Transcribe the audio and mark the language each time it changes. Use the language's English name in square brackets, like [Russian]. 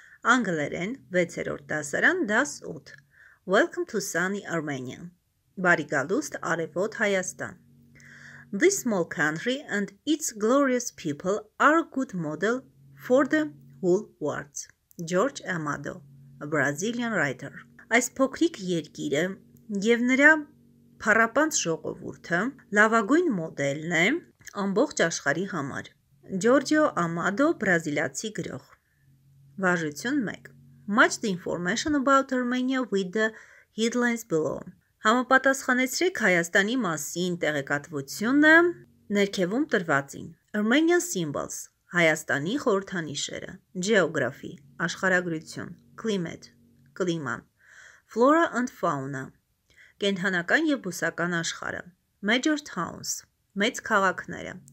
[Armenian] Անգլերեն 6-րդ դասարան, դաս 8. [English] Welcome to sunny Armenia. [Armenian] Բարի գալուստ արևոտ Հայաստան. [English] This small country and its glorious people are a good model for the whole world. George Amado, a Brazilian writer. [Armenian] Այս փոքրիկ երկիրը եւ նրա փառապանց ժողովուրդը լավագույն մոդելն է ամբողջ աշխարհի համար. Giorgio Amado, բրազիլացի գրող. Վարժություն 1. [English] Match the information about Armenia with the headlines below. [Armenian] Համապատասխանեցրեք Հայաստանի մասին տեղեկատվությունը ներքևում տրվածին. [English] Armenian symbols. [Armenian] Հայաստանի խորհրդանիշերը. [English] Geography. [Armenian] Աշխարհագրություն. [English] Climate. [Armenian] Կլիման. [English] Flora and fauna. [Armenian] Կենդանական և բուսական աշխարհը. [English] Major towns. [Armenian] Մեծ քաղաքները.